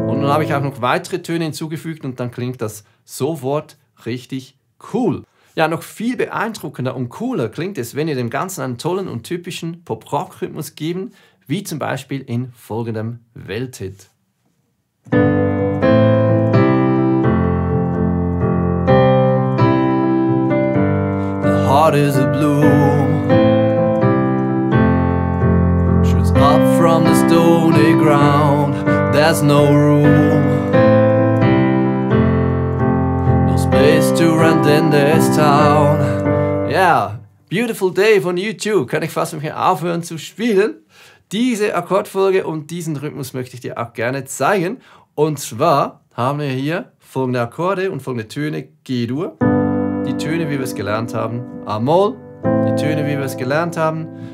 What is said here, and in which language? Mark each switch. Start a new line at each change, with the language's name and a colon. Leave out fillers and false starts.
German: Habe ich auch noch weitere Töne hinzugefügt und dann klingt das sofort richtig cool. Ja, noch viel beeindruckender und cooler klingt es, wenn ihr dem Ganzen einen tollen und typischen Pop-Rock-Rhythmus geben, wie zum Beispiel in folgendem Welthit.
English: The heart is a blue, shoots up from the stony ground. There's no room, no space to run in this town.
German: Yeah, Beautiful Day von U2. Kann ich fast mit mir aufhören zu spielen. Diese Akkordfolge und diesen Rhythmus möchte ich dir auch gerne zeigen. Und zwar haben wir hier folgende Akkorde und folgende Töne. G-Dur, die Töne, wie wir es gelernt haben. A-Moll, die Töne, wie wir es gelernt haben.